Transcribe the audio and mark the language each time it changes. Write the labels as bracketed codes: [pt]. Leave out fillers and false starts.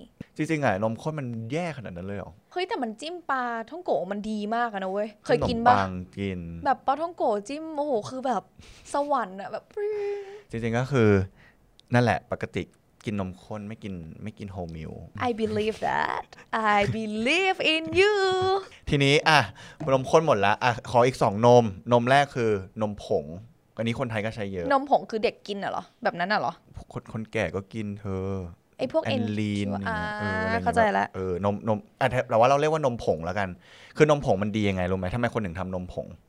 [th] จริงๆอ่ะนมข้นมันแย่ขนาดนั้นเลยหรอ เฮ้ยแต่มันจิ้มปลาท่องโกมันดีมากนะเว้ยเคยกิน บ้าง กิน แบบปลาท่องโกจิ้มโอ้โหคือแบบสวรรค์อ่ะแบบ จริงๆก็คือนั่นแหละปกติกินนมข้นไม่กินโฮมิล [en] I believe that I believe in you [th] ทีนี้อ่ะนมข้นหมดแล้วอ่ะขออีก2นมนมแรกคือนมผงอันนี้คนไทยก็ใช้เยอะ นมผงคือเด็กกินเหรอแบบนั้นเหรอ คนแก่ก็กินเธอ ไอพวก เอ็นลีน เข้าใจแล้ว เออนมอ่ะแต่ว่าเราเรียกว่านมผงแล้วกันคือนมผงมันดียังไงรู้ไหมทำไมคนถึงทำนมผง